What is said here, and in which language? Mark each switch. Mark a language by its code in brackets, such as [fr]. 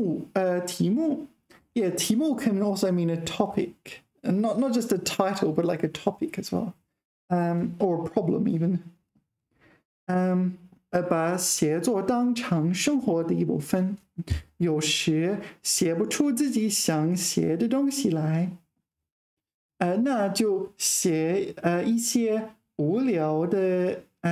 [zh] 没有读者也写，自己寻找题目 [en] can also mean a topic, and not just a title, but like a topic as well, or a problem even. [zh] 把写作当成生活的一部分，有时写不出自己想写的东西来，那就写一些无聊的。